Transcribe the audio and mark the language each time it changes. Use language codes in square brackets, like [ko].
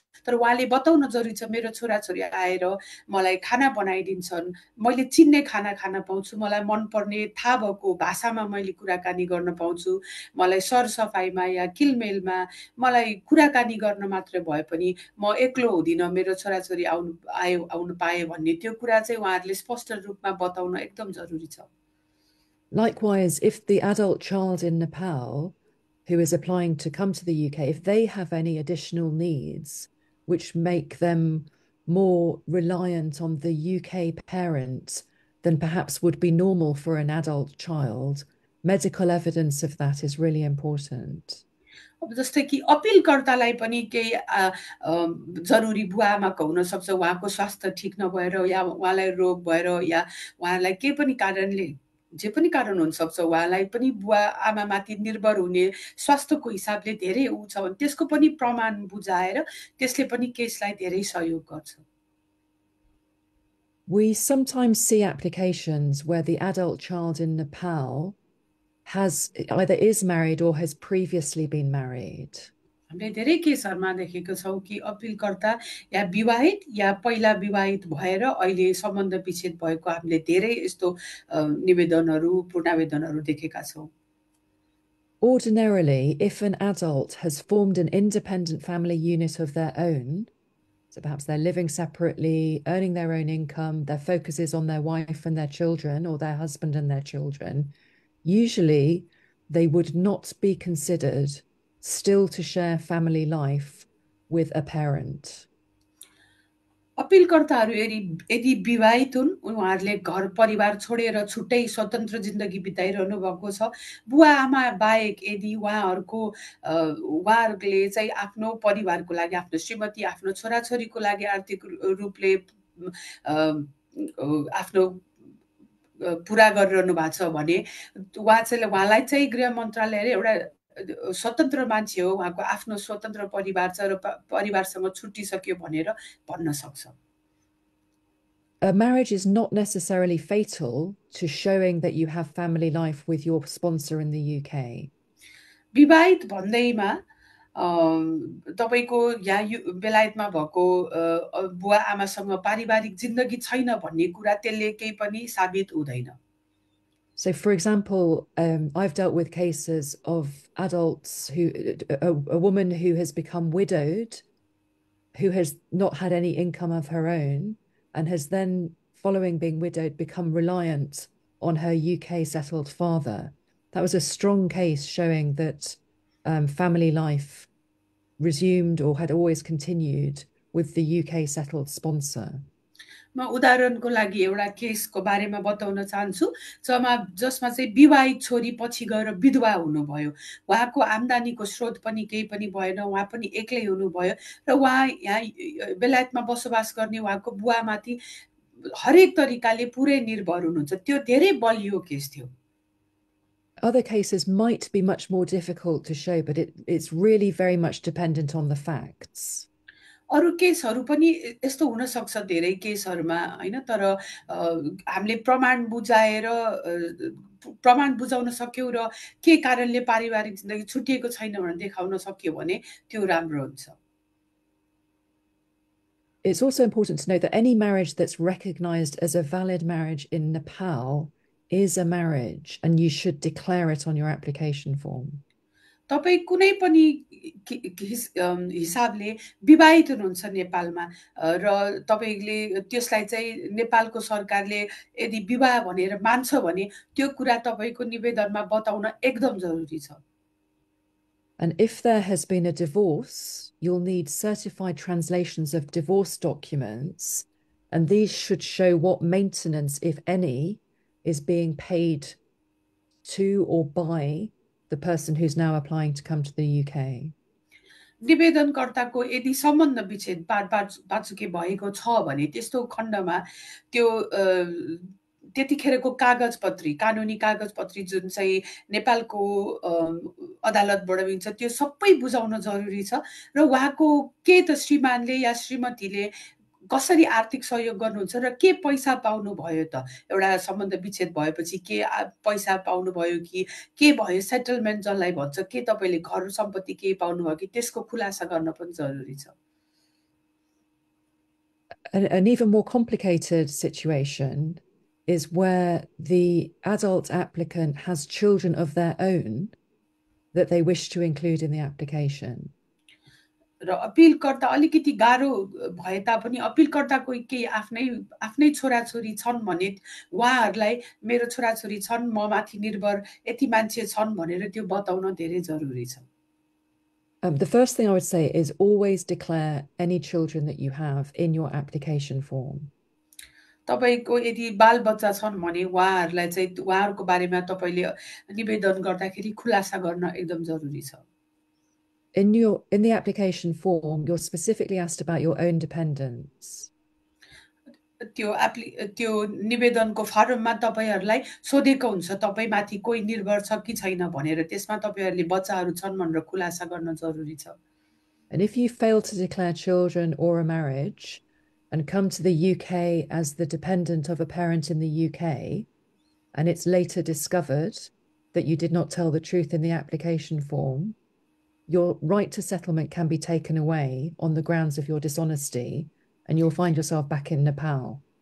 [ne] तर उहाँले बताउन जरुरी छ मेरो छोराछोरी आएर मलाई खाना बनाइदिन्छन्, मैले चिन्ने खाना खान पाउँछु, मलाई मनपर्ने थाहा भएको भाषामा मैले कुराकानी गर्न पाउँछु, मलाई सरसफाइमा या किलमेलमा मलाई कुराकानी गर्न मात्र भए पनि म एक्लो हुँदिनँ, मेरो छोराछोरी आउनु पाए भन्ने त्यो कुरा चाहिँ उहाँहरूले स्पष्ट रूपमा बताउन एकदम जरुरी छ। [en] Likewise, if the adult child in Nepal who is applying to come to the UK, if they have any additional needs which make them more reliant on the UK parent, than perhaps would be normal for an adult child. Medical evidence of that is really important. [ne] अब जस्तै कि अपिलकर्तालाई पनि केही जरुरी बुवा आमाको हुनसक्छ, उहाँको स्वास्थ्य ठिक नभएर या उहाँलाई रोग भएर या उहाँलाई केही पनि कारणले जे पनि कारण हुनसक्छ, उहाँलाई पनि बुवा आमामाथि निर्भर हुने स्वास्थ्यको हिसाबले धेरै ऊ छ भने त्यसको पनि प्रमाण बुझाएर त्यसले पनि केसलाई धेरै सहयोग गर्छ। [en] We sometimes see applications where the adult child in Nepal has either is married or has previously been married. [ne] हामीले धेरै केसहरूमा देखेको छौँ कि अपिलकर्ता या विवाहित या पहिला विवाहित भएर अहिले सम्बन्ध विच्छेद भएको हामीले धेरै यस्तो निवेदनहरू पूर्णावेदनहरू देखेका छौँ। [en] Ordinarily, if an adult has formed an independent family unit of their own, so perhaps they're living separately, earning their own income, their focus is on their wife and their children, or their husband and their children, usually they would not be considered still to share family life with a parent. [ne] अपिलकर्ताहरू यदि यदि विवाहित हुन्, उहाँहरूले घर परिवार छोडेर छुट्टै स्वतन्त्र जिन्दगी बिताइरहनु भएको छ, बुवा आमा बाहेक यदि उहाँहरूको उहाँहरूले चाहिँ आफ्नो परिवारको लागि, आफ्नो श्रीमती, आफ्नो छोराछोरीको लागि आर्थिक रूपले आफ्नो पुरा गरिरहनु भएको छ भने उहाँ चाहिँ उहाँलाई चाहिँ गृह मन्त्रालयले एउटा स्वतन्त्र मान्छे हो, उहाँको आफ्नो स्वतन्त्र परिवार छ र परिवारसँग छुट्टिसक्यो भनेर भन्न सक्छ। [en] A marriage is not necessarily fatal to showing that you have family life with your sponsor in the UK. [ne] विवाहित भन्दैमा तपाईँको या बेलायतमा भएको बुवा आमासँग पारिवारिक जिन्दगी छैन भन्ने कुरा त्यसले केही पनि साबित हुँदैन। [en] So, for example, I've dealt with cases of adults who, a woman who has become widowed, who has not had any income of her own. And has then, following being widowed, become reliant on her UK-settled father. That was a strong case showing that family life resumed or had always continued with the UK-settled sponsor. [ne] म उदाहरणको लागि एउटा केसको बारेमा बताउन चाहन्छु जसमा जसमा चाहिँ विवाहित छोरी पछि गएर विधवा हुनुभयो, उहाँको आम्दानीको स्रोत पनि केही पनि भएन, उहाँ पनि एक्लै हुनुभयो र उहाँ यहाँ बेलायतमा बसोबास गर्ने उहाँको बुवामाथि हरेक तरिकाले पुरै निर्भर हुनुहुन्छ। त्यो धेरै बलियो केस थियो। [en] Other cases might be much more difficult to show, but it's really very much dependent on the facts. [ne] अरू केसहरू पनि यस्तो हुनसक्छ धेरै केसहरूमा होइन, तर हामीले प्रमाण बुझाएर प्रमाण बुझाउन सक्यौँ र के कारणले पारिवारिक जिन्दगी छुटिएको छैन भनेर देखाउन सक्यो भने त्यो राम्रो हुन्छ। [en] It's also important to note that any marriage that's recognized as a valid marriage in Nepal is a marriage, and you should declare it on your application form. [ne] तपाईँ कुनै पनि हिसाबले विवाहित हुनुहुन्छ नेपालमा र तपाईँले त्यसलाई चाहिँ नेपालको सरकारले यदि विवाह भनेर मान्छ भने त्यो कुरा तपाईँको निवेदनमा बताउन एकदम जरुरी छ। [en] And if there has been a divorce, you'll need certified translations of divorce documents, and these should show what maintenance, if any, is being paid to or by the person who's now applying to come to the UK. [ne] निवेदनकर्ताको यदि सम्बन्ध विच्छेद पाचुके भएको छ भने त्यस्तो खण्डमा त्यो त्यतिखेरको कागजपत्री, कानुनी कागजपत्री जुन चाहिँ नेपालको अदालतबाट दिइन्छ त्यो सबै बुझाउन जरुरी छ र उहाँको के त श्रीमानले या श्रीमतीले कसरी आर्थिक सहयोग गर्नुहुन्छ र के पैसा पाउनुभयो त एउटा सम्बन्ध विच्छेद भएपछि के पैसा पाउनुभयो कि के भयो सेटलमेन्ट जसलाई भन्छ के तपाईँले घर सम्पत्ति केही पाउनुभयो कि त्यसको खुलासा गर्न पनि जरुरी छ। [en] An even more complicated situation is where the adult applicant has children of their own that they wish to include in the application. [ne] र अपिलकर्ता अलिकति गाह्रो भए तापनि अपिलकर्ताको केही आफ्नै आफ्नै छोराछोरी छन् भने उहाँहरूलाई मेरो छोराछोरी छन् म माथि निर्भर यति मान्छे छन् भनेर त्यो बताउन धेरै जरुरी छ। [en] The first thing I would say is always declare any children that you have in your application form. [ne] तपाईँको यदि बाल बच्चा छन् भने उहाँहरूलाई चाहिँ उहाँहरूको बारेमा तपाईँले निवेदन गर्दाखेरि खुलासा गर्न एकदम जरुरी छ। [en] In the application form, you're specifically asked about your own dependents. [ne] त्यो एप्ली त्यो निवेदनको फर्ममा तपाईँहरूलाई सोधेको हुन्छ तपाईँ माथि कोही निर्भर छ कि छैन भनेर, त्यसमा तपाईँहरूले बच्चाहरू छन् भनेर खुलासा गर्न जरुरी छ। [en] And if you fail to declare children or a marriage and come to the UK as the dependent of a parent in the UK, and it's later discovered that you did not tell the truth in the application form, your right to settlement can be taken away on the grounds of your dishonesty, and you'll find yourself back in Nepal.